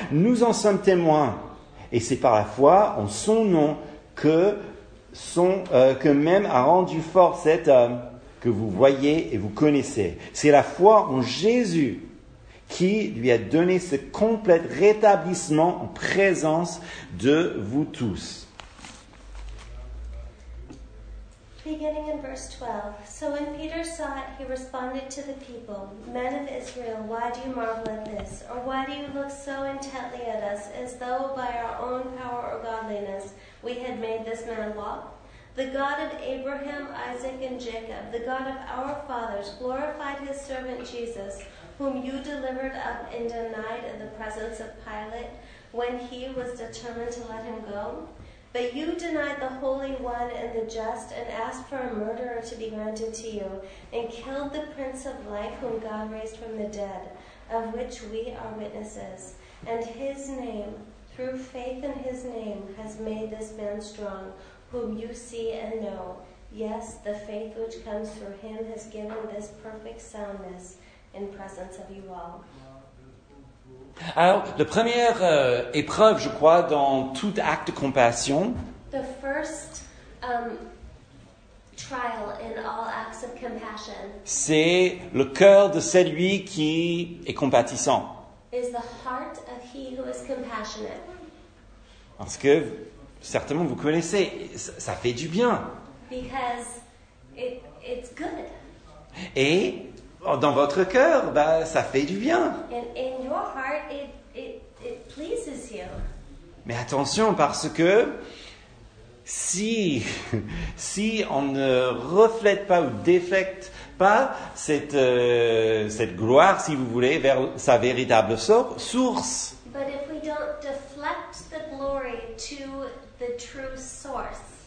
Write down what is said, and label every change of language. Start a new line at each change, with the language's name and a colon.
French: Nous en sommes témoins. Et c'est par la foi en son nom que que même a rendu fort cet homme que vous voyez et vous connaissez. C'est la foi en Jésus qui lui a donné ce complet rétablissement en présence de vous tous.
English: Beginning in verse 12. So when Peter saw it, he responded to the people, Men of Israel, why do you marvel at this? Or why do you look so intently at us, as though by our own power or godliness we had made this man walk? The God of Abraham, Isaac, and Jacob, the God of our fathers, glorified his servant Jesus, whom you delivered up and denied in the presence of Pilate when he was determined to let him go. But you denied the Holy One and the just and asked for a murderer to be granted to you and killed the Prince of Life whom God raised from the dead, of which we are witnesses. And his name, through faith in his name, has made this man strong, whom you see and know. Yes, the faith which comes through him has given this perfect soundness in presence of you all.
French: Alors, la première épreuve, je crois, dans tout acte de compassion,
English: the first trial in all acts of compassion,
French: c'est le cœur de celui qui est compatissant.
English: Is the heart of he who is compassionate.
French: Parce que, certainement, vous connaissez, ça fait du bien.
English: Because it's good.
French: Et dans votre cœur, ça fait du bien.
English: In your heart, it pleases you.
French: Mais attention, parce que si on ne reflète pas ou déflecte pas cette gloire, si vous voulez, vers sa véritable source.
English: But if we don't deflect the glory to the true source,